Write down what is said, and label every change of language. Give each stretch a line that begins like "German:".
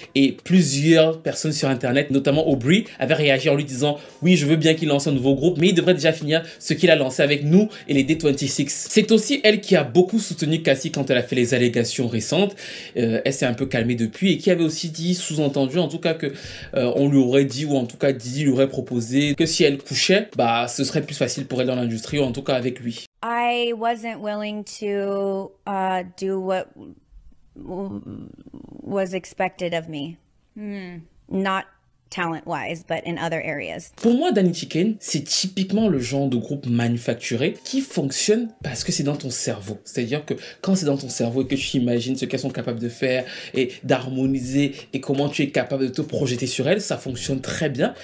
French: Et plusieurs personnes sur Internet, notamment Aubrey, avaient réagi en lui disant « Oui, je veux bien qu'il lance un nouveau groupe, mais il devrait déjà finir ce qu'il a lancé avec nous et les D26. » C'est aussi elle qui a beaucoup soutenu Cassie quand elle a fait les allégations récentes. Elle s'est un peu calmée depuis et qui avait aussi dit, sous-entendu en tout cas, qu'on lui aurait dit, ou en tout cas Didi lui aurait proposé que si elle couchait, bah ce serait plus facile pour elle dans l'industrie, ou en tout cas avec lui.
English: I wasn't willing to do what was expected of me. Not talent wise, but in other areas.
French: Pour moi, Danny Chicken, c'est typiquement le genre de groupe manufacturé qui fonctionne parce que c'est dans ton cerveau. C'est-à-dire que quand c'est dans ton cerveau et que tu imagines ce qu'elles sont capables de faire et d'harmoniser et comment tu es capable de te projeter sur elles, ça fonctionne très bien.